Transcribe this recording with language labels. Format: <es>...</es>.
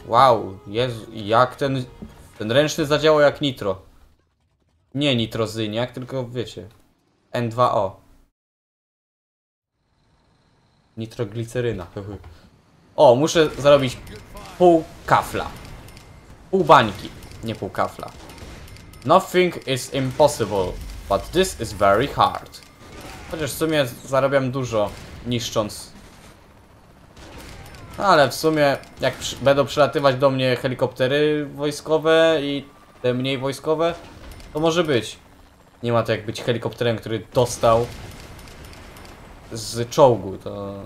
<pl>Wow, Jezu, jak ten ręczny zadziałał jak nitro. Nie nitrozyniak, tylko wiecie, N2O. Nitrogliceryna. O, muszę zarobić pół kafla. Pół bańki, nie pół kafla.</pl> <en>Nothing is impossible, but this is very hard.</en> <pl>Chociaż w sumie zarabiam dużo, niszcząc. Ale w sumie, jak będą przylatywać do mnie helikoptery wojskowe i te mniej wojskowe, to może być. Nie ma to jak być helikopterem, który dostał z czołgu, to...</pl>